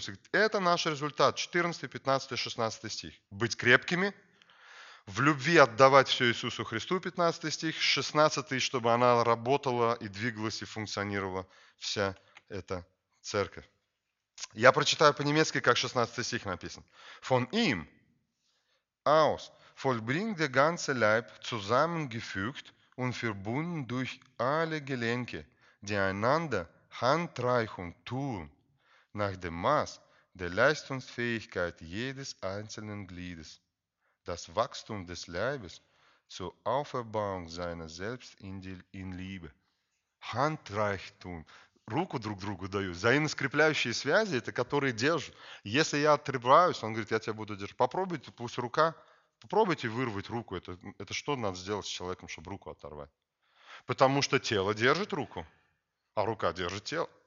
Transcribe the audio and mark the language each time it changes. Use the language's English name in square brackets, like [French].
[Russian] То есть, это наш результат, 14, 15, 16 стих. Быть крепкими, в любви отдавать все Иисусу Христу, 15 стих, 16, чтобы она работала и двигалась и функционировала вся эта церковь. Я прочитаю по-немецки, как 16 стих написан. [German] Von ihm aus vollbringt der ganze Leib zusammengefügt und verbunden durch alle Gelenke, die einander handreichung tun, nach dem Maß der Leistungsfähigkeit jedes einzelnen Gliedes, das Wachstum des Leibes zur Auferbauung seiner selbst in Liebe. [Russian] Handreichung. Руку друг другу даю. Взаимоскрепляющие связи, это которые держат. Если я отрываюсь, он говорит, я тебя буду держать. Попробуйте, пусть рука, попробуйте вырвать руку. Это что надо сделать с человеком, чтобы руку оторвать? Потому что тело держит руку, а рука держит тело.